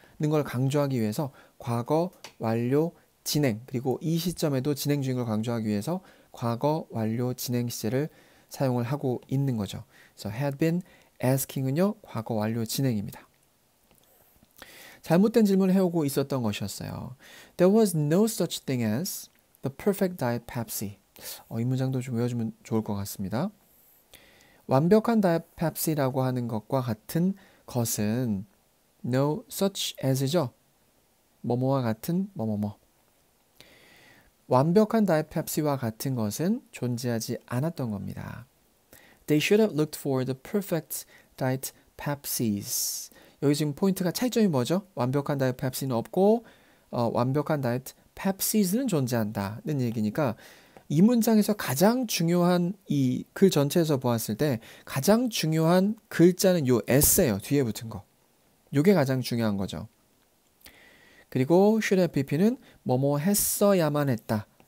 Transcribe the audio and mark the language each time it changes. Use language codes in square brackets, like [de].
[ko] 는걸 강조하기 위해서 과거 완료 진행 그리고 이 시점에도 진행 중인 걸 강조하기 위해서 과거 완료 진행 시제를 사용을 하고 있는 거죠. 그래서 had been asking은요 과거 완료 진행입니다. 잘못된 질문을 해오고 있었던 것이었어요. [en] There was no such thing as the perfect diet Pepsi. [ko] 이 문장도 좀 외워주면 좋을 것 같습니다. 완벽한 다이어트 펩시라고 하는 것과 같은 것은 No such as죠. 뭐뭐와 같은 뭐뭐뭐. 완벽한 다이 펩시와 같은 것은 존재하지 않았던 겁니다. [en] They should have looked for the perfect diet Pepsis. [ko] 여기 지금 포인트가 차이점이 뭐죠? 완벽한 다이 펩시는 없고, 완벽한 다이트 펩시즈는 존재한다는 얘기니까 이 문장에서 가장 중요한 이글 전체에서 보았을 때 가장 중요한 글자는 요 s예요. 뒤에 붙은 거. 요게 가장 중요한 거죠. 그리고 should have pp는 뭐뭐 했어야만 했다.